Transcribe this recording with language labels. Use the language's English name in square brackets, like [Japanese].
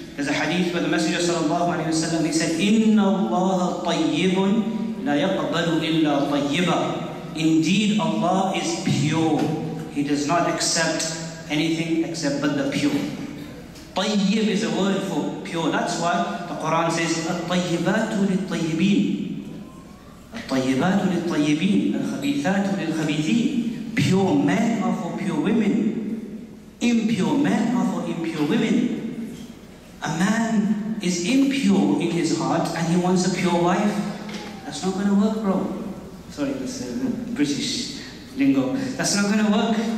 [English] There's a hadith where the Messenger sallallahu alaihi wasallam, he said, [Arabic] إِنَّ اللَّهَ طَيِّبٌ لَا يَقْبَلُ إِلَّا طَيِّبًا. [English] Indeed, Allah is pure. He does not accept anything except but the pure. طيب is a word for pure. That's why the Quran says, [Arabic] الطَيِّبَاتُ لِلطَيِّبِينَ الطَيِّبَاتُ لِلطَيِّبِينَ الْخَبِيثَاتُ لِلْخَبِيثِينَ. [English] Pure men are for pure women. Impure men are for impure women. A man is impure in his heart and he wants a pure wife. That's not going to work, bro. Sorry, that's British lingo. That's not going to work.